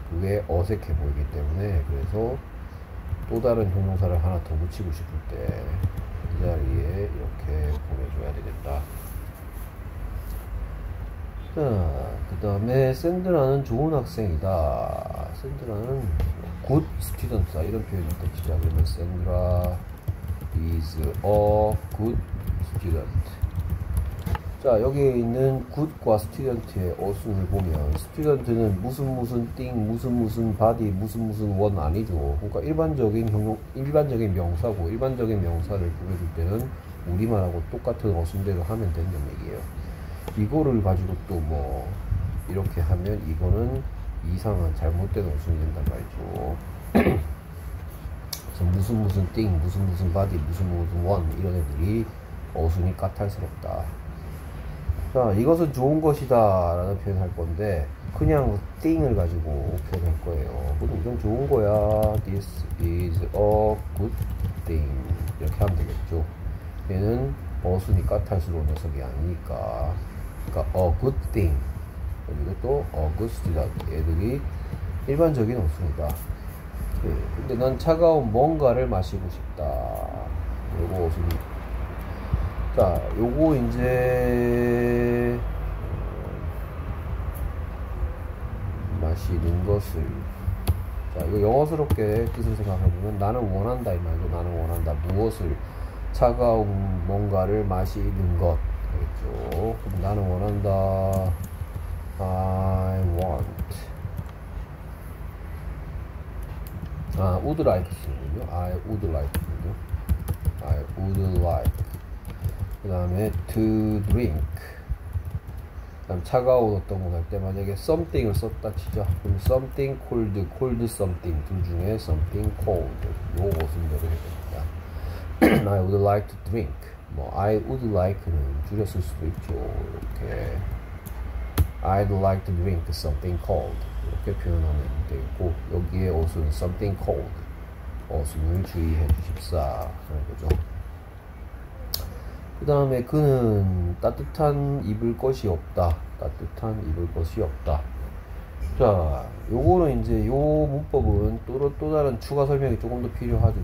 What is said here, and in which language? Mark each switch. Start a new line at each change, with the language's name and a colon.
Korean: 그게 어색해 보이기 때문에 그래서 또 다른 형용사를 하나 더 붙이고 싶을 때. 이 자리에 이렇게 보내줘야 되겠다. 자, 그 다음에 샌드라는 좋은 학생이다. 샌드라는 good student다. 이런 표현이 있다. 그러면
English: 샌드라 is a good student.
Korean: 자, 여기에 있는 good과 student의 어순을 보면 student는 무슨 무슨 thing, 무슨 무슨 body, 무슨 무슨 one 아니죠. 그러니까 일반적인 명사고 일반적인 명사를 보여줄 때는 우리말하고 똑같은 어순대로 하면 된다는 얘기예요. 이거를 가지고 또뭐 이렇게 하면 이거는 이상한 잘못된 어순이 된단 말이죠. 그래서 무슨 무슨 thing, 무슨 무슨 body, 무슨 무슨 one 이런 애들이 어순이 까탈스럽다. 자, 이것은 좋은 것이다라는 표현을 할 건데 그냥 thing을 가지고 표현할 거예요. 그럼 이건 좋은 거야.
English: This is a good thing.
Korean: 이렇게 하면 되겠죠. 얘는 어순이 까탈스러운 녀석이 아니니까.
English: 그러니까 a good thing.
Korean: 이것도
English: a good student.
Korean: 얘들이 일반적인 어순이다. 근데 난 차가운 뭔가를 마시고 싶다. 이거 어순이. 자, 요거 이제 마시는 것을 자, 이거 영어스럽게 뜻을 생각해보면 나는 원한다 이 말도 나는 원한다 무엇을 차가운 뭔가를 마시는 것 알겠죠? 그럼 나는 원한다 I want 아, would like 쓰는군요.
English: I would like군요. I would like
Korean: 그 다음에
English: to drink.
Korean: 그다음 차가운 어떤 걸할때 만약에 something을 썼다 치자. 그럼 something cold, cold something 둘 중에 something cold 요 어순대로 해야 됩니다.
English: I would like to drink. 뭐 I would like는
Korean: 줄여 쓸 수도 있죠. 이렇게
English: I'd like to drink something cold
Korean: 이렇게 표현하면 되겠고, 여기에 옷은 something cold. 옷은 주의해 주십사. 라는 거죠. 그 다음에 그는 따뜻한 입을 것이 없다. 따뜻한 입을 것이 없다. 자, 요거는 이제 요 문법은 또 다른 추가 설명이 조금 더 필요하죠.